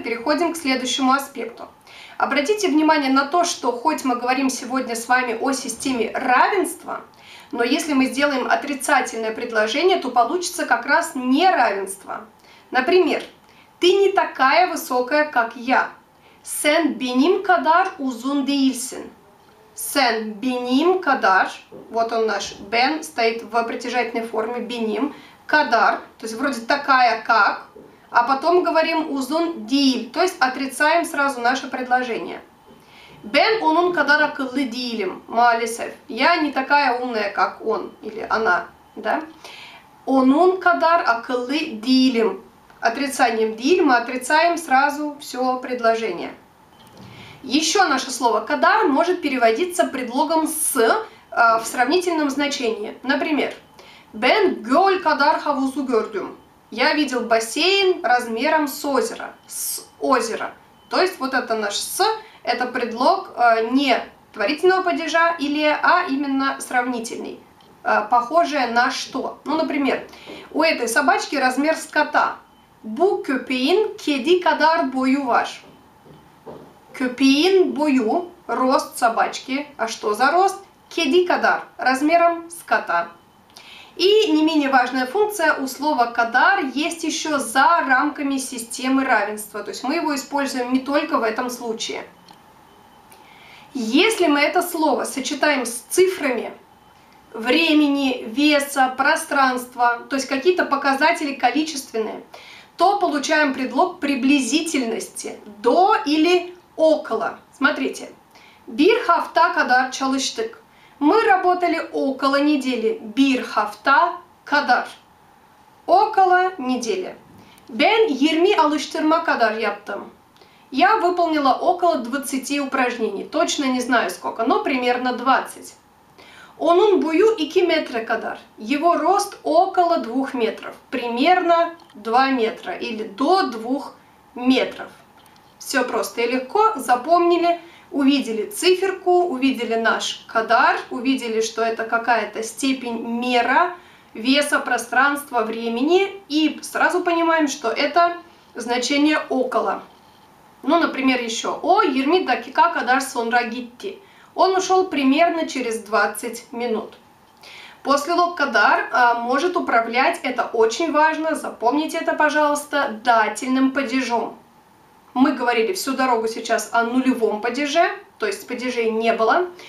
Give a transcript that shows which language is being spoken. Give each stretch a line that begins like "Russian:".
Russian: Переходим к следующему аспекту. Обратите внимание на то, что хоть мы говорим сегодня с вами о системе равенства, но если мы сделаем отрицательное предложение, то получится как раз неравенство. Например, ты не такая высокая, как я.
Turkish: Sen benim kadar uzun değilsin. Sen benim kadar,
Russian: вот он наш, ben стоит в притяжательной форме, benim, kadar, то есть вроде такая, как, а потом говорим
Turkish: uzun değil,
Russian: то есть отрицаем сразу наше предложение.
Turkish: Ben onun kadar akıllı değilim, maalesef.
Russian: Я не такая умная, как он или она, да?
Turkish: Onun kadar akıllı değilim.
Russian: Отрицанием değil мы отрицаем сразу все предложение. Еще наше слово kadar может переводиться предлогом с в сравнительном значении. Например,
Turkish: Ben göl kadar havuzu gördüm.
Russian: Я видел бассейн размером с озера, с озера. То есть вот это наш с. Это предлог не творительного падежа или, а именно сравнительный, похожее на что. Ну, например, у этой собачки размер с кота.
Turkish: Bu köpeğin kedi kadar boyu var. Köpeğin boyu,
Russian: рост собачки. А что за рост?
Turkish: Kedi kadar,
Russian: размером с кота. И не менее важная функция у слова kadar есть еще за рамками системы равенства. То есть мы его используем не только в этом случае. Если мы это слово сочетаем с цифрами времени, веса, пространства, то есть какие-то показатели количественные, то получаем предлог приблизительности, до или около. Смотрите.
Turkish: Bir hafta kadar çalıştık.
Russian: Мы работали около недели.
Turkish: Bir hafta kadar.
Russian: Около недели.
Turkish: Ben 20 alıştırma kadar yaptım.
Russian: Я выполнила около 20 упражнений. Точно не знаю сколько, но примерно 20.
Turkish: Onun boyu 2 metre kadar.
Russian: Его рост около 2 метров. Примерно 2 метра или до 2 метров. Все просто и легко. Запомнили, увидели циферку, увидели наш kadar, увидели, что это какая-то степень мера веса, пространства, времени. И сразу понимаем, что это значение около. Ну, например, еще.
Turkish: O 20 dakika kadar sonra gitti.
Russian: Он ушел примерно через 20 минут. После слова kadar может управлять, это очень важно, запомните это, пожалуйста, дательным падежом. Мы говорили всю дорогу сейчас о нулевом падеже, то есть падежей не было.